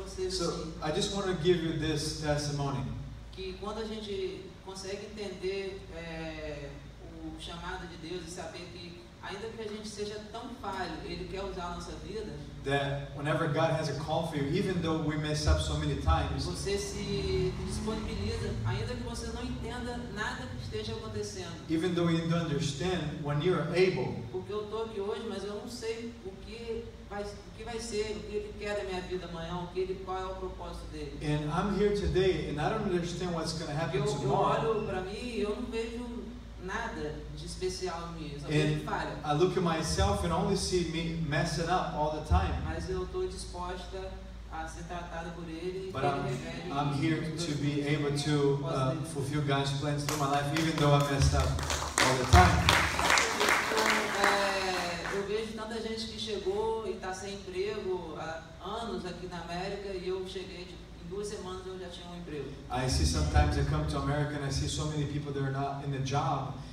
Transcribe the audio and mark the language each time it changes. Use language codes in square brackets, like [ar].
[en] So, I just want to give you this testimony. [pt] Que quando a gente consegue entender o chamado de Deus e saber que ainda que a gente seja tão falho, ele quer usar a nossa vida. [en] That whenever God has a call for you, even though we mess up so many times, [pt] você se disponibiliza, ainda que você não entenda nada que esteja acontecendo. [en] Even though you don't understand, when you are able. [pt] Porque eu tô aqui hoje, mas eu não sei o que vai ser, o que ele quer da minha vida amanhã, qual é o propósito dele. [en] And I'm here today, and I don't understand what's going to happen tomorrow. [pt] Eu olho para mim e eu não vejo nada de especial em mim, só [en] and [pt] falha. [en] I look at myself and only see me messing up all the time. [pt] Mas eu tô disposta a ser tratada por ele. [en] But I'm here to be able to fulfill God's plans through my life, even though I messed up all the time. [pt] Eu vejo tanta gente que chegou e está sem emprego há anos aqui na América e eu cheguei de duas semanas eu já tinha um emprego. [en] I see sometimes I come to America and I see so many people that are not in the job.